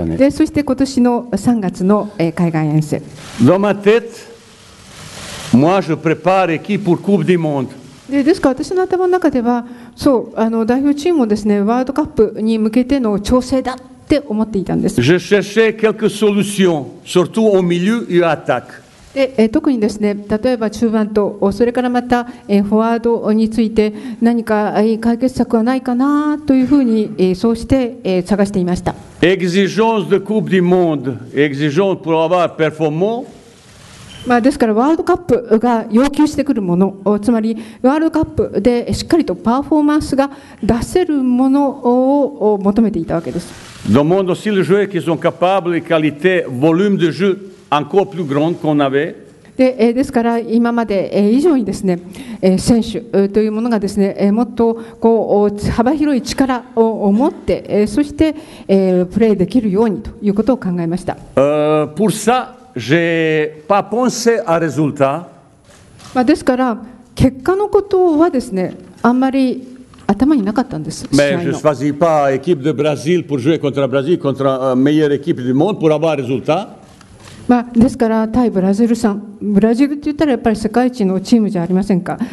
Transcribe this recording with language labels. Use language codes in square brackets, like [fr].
[ja] そして今年の3月の海外遠征。 [fr] Dans ma tête, moi je prépare l'équipe pour Coupe du Monde. [ja] ですから私の頭の中では、そう、代表チームをですね、ワールドカップに向けての調整だって思っていたんです。 [fr] Je cherchais quelques solutions, surtout au milieu et à l'attaque. [ja] で特にですね、例えば中盤と、それからまたフォワードについて、何か解決策はないかなというふうに、そうして探していました。 [fr] Exigence de Coupe du Monde, exigence pour avoir performant. [ja] まあですから、ワールドカップが要求してくるもの、つまり、ワールドカップでしっかりとパフォーマンスが出せるものを求めていたわけです。 [fr] Demande aussi les joueurs qui sont capables, qualité, volume de jeu. Encore plus grande qu'on avait. [ja] ですから今まで以上にですね、選手というものがですね、もっとこう幅広い力を持って、そしてプレーできるようにということを考えました。 [fr] Pour ça, j'ai pas pensé à résultat. [ja] ですから結果のことはですね、あんまり頭になかったんです。 [fr] Mais je choisis pas l'équipe de Brésil pour jouer contre le Brésil, contre la meilleure équipe du monde pour avoir un résultat. [ja] まあ、ですから対ブラジルさん、ブラジルって言ったらやっぱり世界一のチームじゃありませんか。